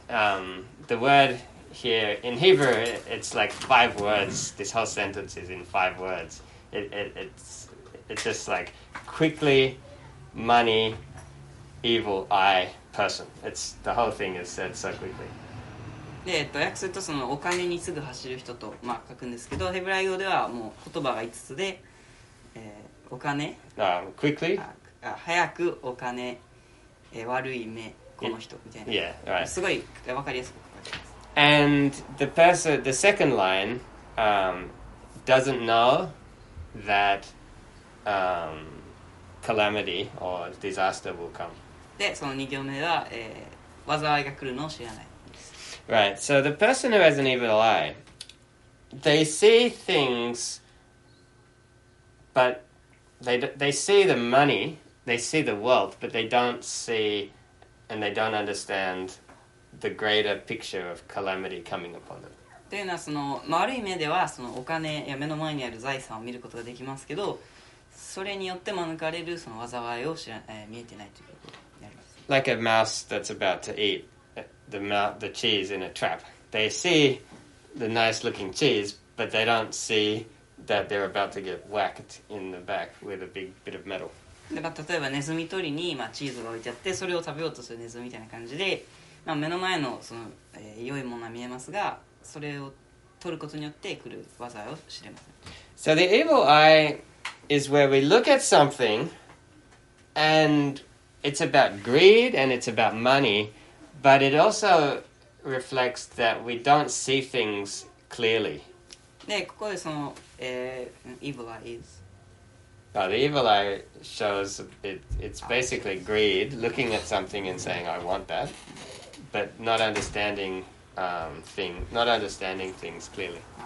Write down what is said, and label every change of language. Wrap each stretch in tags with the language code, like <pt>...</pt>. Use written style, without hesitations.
<en>The word here in Hebrew, it's like five words. This whole sentence is in five words. It's just like quickly, money, evil eye, person. It's the whole thing is said so quickly.</en> <ja>で、訳するとそのお金にすぐ走る人と、まあ、書くんですけど、ヘブライ語ではもう言葉が5つで、お金、</ja> <en>quickly?</en> <ja>早くお金、悪い目、この人みたいな。</ja> <en>Yeah, right.</en> <ja>すごい分かりやすく書かれています。</ja> <en>And the person, the second line, doesn't know that calamity or disaster will come.</en> <ja>で、その2行目は、災いが来るのを知らない。</ja> <en>Right, so the person who has an evil eye, they see things, but they see the money, they see the wealth, but they don't see and they don't understand the greater picture of calamity coming upon them.</en> <ja>というのはその、まあ、ある意味ではそのお金や目の前にある財産を見ることができますけど、それによって免れるその災いを知ら、見えてないということになります。</ja> <en>Like a mouse that's about to eat the cheese in a trap. They see the nice looking cheese, but they don't see that they're about to get whacked in the back with a big bit of metal.</en> <ja>で、まあ、例えばネズミ捕りに、まあ、チーズが置いてあってそれを食べようとするネズミみたいな感じで、まあ、目の前のその、良いものは見えますが、それを取ることによって来る災いを知れません。</ja> <en>So the evil eye is where we look at something and it's about greed and it's about moneyBut it also reflects that we don't see things clearly.</en> <ja>で、ここでその、</ja> <en>evil eye is. But the evil eye shows it's basically greed, looking at something and saying, I want that, but not understanding, not understanding things clearly.</en>